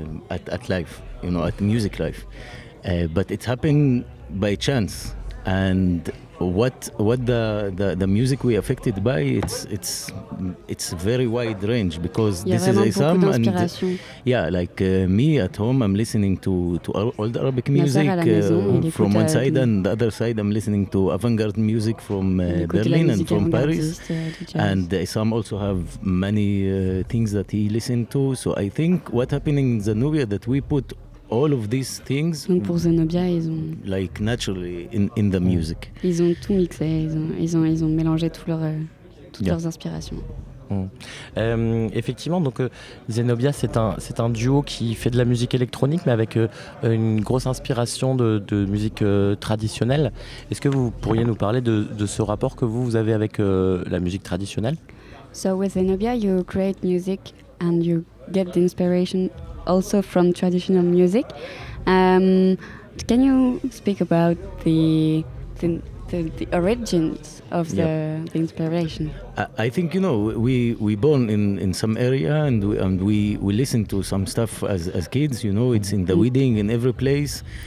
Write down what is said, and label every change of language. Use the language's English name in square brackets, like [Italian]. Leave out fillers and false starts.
[English] At life, you know, at music life. But it happened by chance, and what the music we affected by, it's very wide range, because this is Issam, and yeah, like me at home, I'm listening to old Arabic music from one side, and the other side I'm listening to avant-garde music from Berlin and from Paris, and Issam also have many things that he listened to. So I think what happened in Zenobia that we put all of these things, [French] donc pour Zenobia, ils ont [English] like naturally in the music. [French] Ils ont tout mixé, ils ont mélangé toutes leurs inspirations. Effectivement, donc Zenobia, c'est un duo qui fait de la musique électronique, mais avec une grosse inspiration de musique traditionnelle. Est-ce que vous pourriez nous parler de ce rapport que vous avez avec la musique traditionnelle? [English] So with Zenobia, you create music and you get the inspiration also from traditional music. Can you speak about the origins of the inspiration? I think, you know, we born in some area, and we listen to some stuff as kids, you know, it's in the weeding in every place,